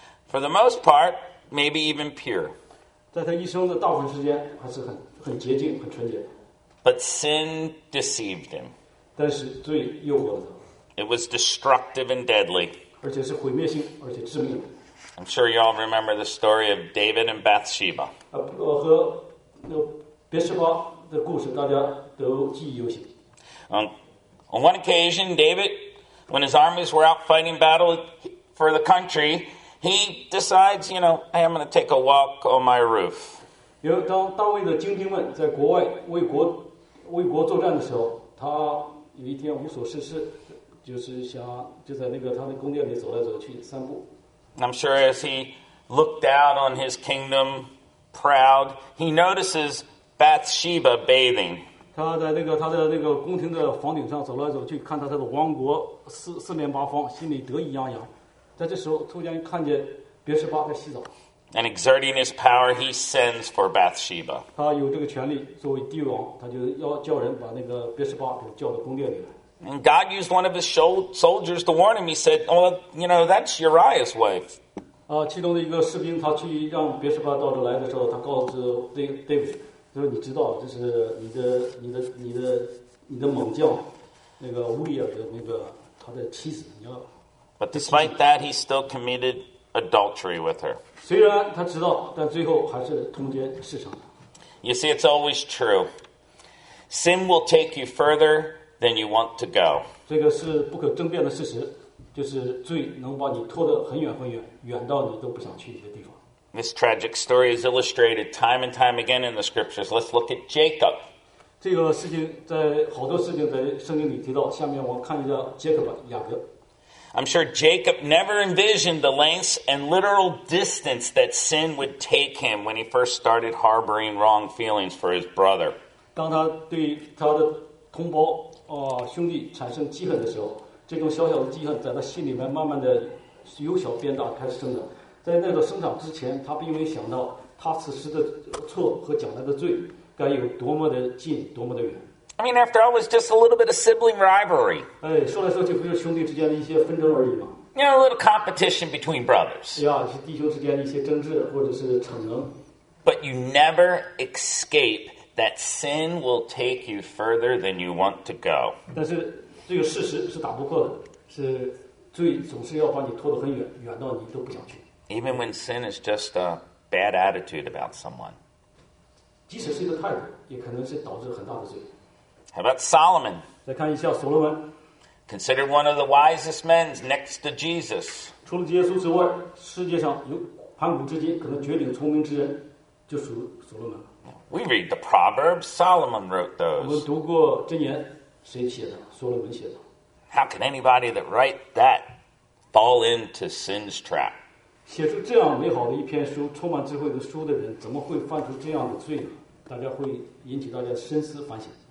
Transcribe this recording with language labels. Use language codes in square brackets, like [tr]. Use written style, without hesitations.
[en] For the most part, maybe even pure. [zh] 在他一生的大部分时间还是很洁净、很纯洁。 [en] But sin deceived him. [zh] 但是罪诱惑了他。 [en] It was destructive and deadly. [zh] 而且是毁灭性，而且致命。 [en] I'm sure you all remember the story of David and Bathsheba. [zh] 和那别是吧的故事大家都记忆犹新。 [en] On one occasion, David, when his armies were out fighting battle for the country, he decides, you know, hey, I'm going to take a walk on my roof. [zh] 有当大卫的精兵们在国外为国作战的时候，他有一天无所事事，就是想就在那个他的宫殿里走来走去散步。 [en] I'm sure as he looked out on his kingdom, proud, he notices Bathsheba bathing. [zh] 他在那个宫廷的房顶上走来走去，看到他的王国四面八方，心里得意洋洋。在这时候，突然看见别示巴在洗澡。 [en] And exerting his power, he sends for Bathsheba. [zh] 他有这个权力，作为帝王，他就要叫人把那个别示巴给叫到宫殿里来。 [en] And God used one of his soldiers to warn him. He said, "Well, you know, that's Uriah's wife." [zh] 其中的一个士兵，他去让别示巴到这来的时候，他告诉 David。就是你知道，这是你的猛将，那个乌利亚的那个他的妻子。你要。 [en] But despite that, he still committed adultery with her. [zh] 虽然他知道，但最后还是通奸事成。 [en] You see, it's always true. Sin will take you further than you want to go. [zh] 这个是不可争辩的事实，就是罪能把你拖得很远很远，远到你都不想去一个地方。 [en] This tragic story is illustrated time and time again in the scriptures. Let's look at Jacob. [zh] 这个事情在好多事情在圣经里提到。下面我看一下杰克吧，雅各。 [en] I'm sure Jacob never envisioned the lengths and literal distance that sin would take him when he first started harboring wrong feelings for his brother. [zh] 当他对他的同胞兄弟产生记恨的时候，这种小小的记恨在他心里面慢慢的由小变大开始生长。在那个生长之前，他并没有想到他此时的错和将来的罪该有多么的近，多么的远。 [en] I mean, after all, it was just a little bit of sibling rivalry. [zh] 哎，说来说去不就是兄弟之间的一些纷争而已吗 [en] ？Yeah, a little competition between brothers. [zh] 呀，是弟兄之间的一些争执或者是逞能。 [en] But you never escape that sin will take you further than you want to go. [zh] 但是这个事实是打不破的，是罪总是要把你拖得很远，远到你都不想去。 [en] Even when sin is just a bad attitude about someone. [zh] 即使是一个态度，也可能是导致很大的罪。 [en] How about Solomon? [zh] 再看一下所罗门。 [en] Considered one of the wisest men next to Jesus. [zh] 除了耶稣之外，世界上有盘古之今可能绝顶聪明之人，就属所罗门。 [en] We read the Proverbs. Solomon wrote those. [zh] 我们读过箴言，谁写的？所罗门写的。 [en] How can anybody that write that fall into sin's trap? [zh] 写出这样美好的一篇书，充满智慧的书的人，怎么会犯出这样的罪呢？大家会引起大家深思反省。